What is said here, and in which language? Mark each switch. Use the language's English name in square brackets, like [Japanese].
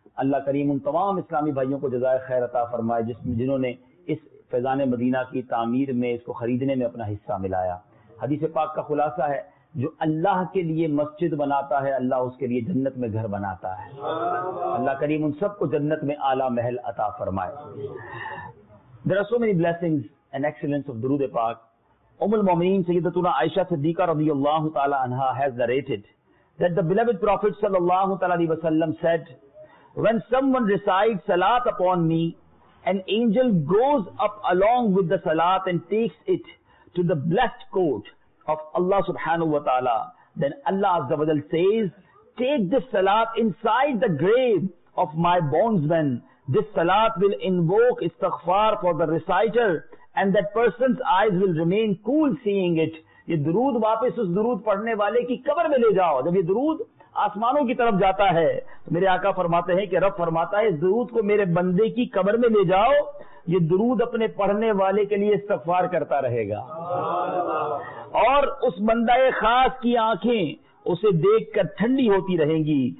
[Urdu] اللہ کریم ان تمام اسلامی بھائیوں کو جزائے خیر عطا فرمائے جنہوں نے اس فیضان مدینہ کی تعمیر میں, اس کو خریدنے میں اپنا حصہ ملایا. حدیث پاک کا خلاصہ ہے, جو اللہ کے لیے مسجد بناتا ہے اللہ اس کے لیے جنت میں گھر بناتا ہے. اللہ کریم ان سب کو جنت میں اعلیٰ محل عطا فرمائے. [English] There are so many blessings and excellence of درود پاک. ام المومنین سیدتنا عائشہ صدیقہ رضی اللہ تعالی عنہا has narrated that the beloved prophet صلی اللہ تعالی علیہ وسلم said, when someone recites salat upon me, an angel goes up along with the salat and takes it to the blessed court of Allah subhanahu wa ta'ala. Then Allah azza wa jal says, take this salat inside the grave of my bondsman. This salat will invoke istighfar for the reciter and that person's eyes will remain cool seeing it. [Urdu] یہ درود واپس اس درود پڑھنے والے کی قبر میں لے جاؤ. جب یہ درود آسمانوں کی طرف جاتا ہے تو میرے آقا فرماتے ہیں کہ رب فرماتا ہے, اس درود کو میرے بندے کی قبر میں لے جاؤ, یہ درود اپنے پڑھنے والے کے لیے استغفار کرتا رہے گا, اور اس بندہ خاص کی آنکھیں اسے دیکھ کر ٹھنڈی ہوتی رہیں گی.